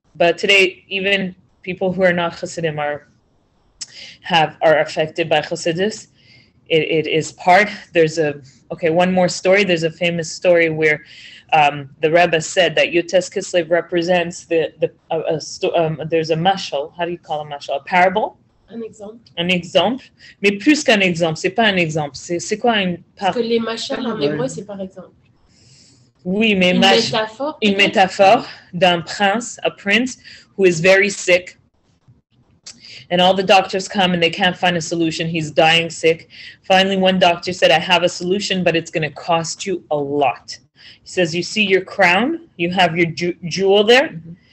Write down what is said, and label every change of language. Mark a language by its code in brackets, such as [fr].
[en] But today, even people who are not Chassidim are affected by Chassidus. It is part. One more story. There's a famous story where the Rebbe said that Yutes Kislev represents there's a mashal. How do you call a mashal? A parable? An exemple. [fr] Mais plus qu'un exemple. C'est pas un exemple. C'est quoi une [en] parable? [fr] Parce que les mashals en hébreu, c'est par exemple. Oui, mais une métaphore d'un prince, [en] a prince, who is very sick. and all the doctors come and they can't find a solution. He's dying sick. Finally, one doctor said, I have a solution, but it's going to cost you a lot. He says, you see your crown? You have your jewel there? Mm-hmm.